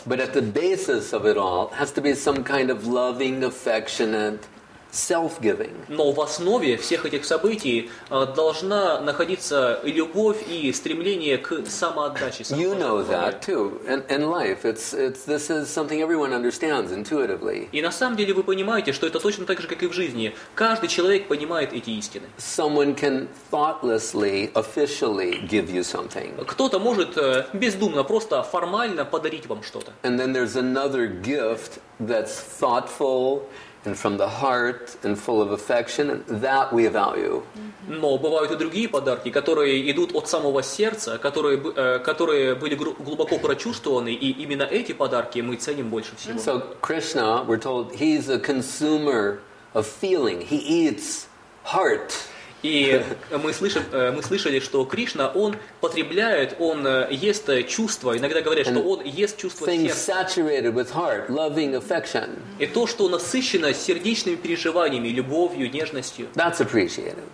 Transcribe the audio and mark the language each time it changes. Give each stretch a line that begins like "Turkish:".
English: But at the basis of it all has to be some kind of loving, affectionate, self-giving.
Russian: Но в основе всех этих событий должна находиться любовь и стремление к самоотдаче.
English: You know that too. In life, it's this is something everyone understands intuitively.
Russian: И на самом деле вы понимаете, что это точно так же, как и в жизни. Каждый человек понимает эти истины.
English: Someone can thoughtlessly, officially give you something.
Russian: Кто-то может бездумно, просто формально подарить вам что-то.
English: And then there's another gift that's thoughtful. And from the heart and full of affection, that we value.
Russian: Но бывают и другие подарки, которые идут от самого сердца, которые были глубоко прочувствованы, и именно эти подарки мы ценим больше всего.
English: So Krishna, we're told, he's a consumer of feeling. He eats heart.
Russian: И мы слышали, что Кришна, он потребляет, он ест чувства. Иногда говорят, что он ест чувства сердца. И то, что насыщено сердечными переживаниями, любовью, нежностью.
English: That's appreciated.